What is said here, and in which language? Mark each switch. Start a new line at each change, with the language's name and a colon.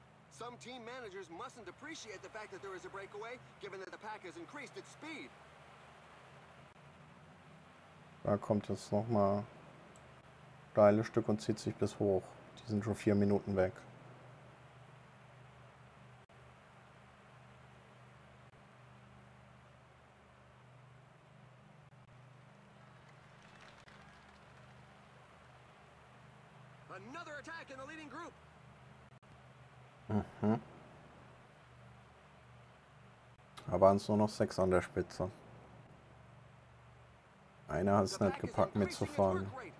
English: Some team managers mustn't appreciate the fact that there is a breakaway, given that the pack has increased its speed.
German: Da kommt jetzt nochmal ein geiles Stück und zieht sich bis hoch. Die sind schon 4 Minuten weg.
English: Another attack in the leading group.
German: Da waren es nur noch 6 an der Spitze. Einer hat es nicht gepackt mitzufahren.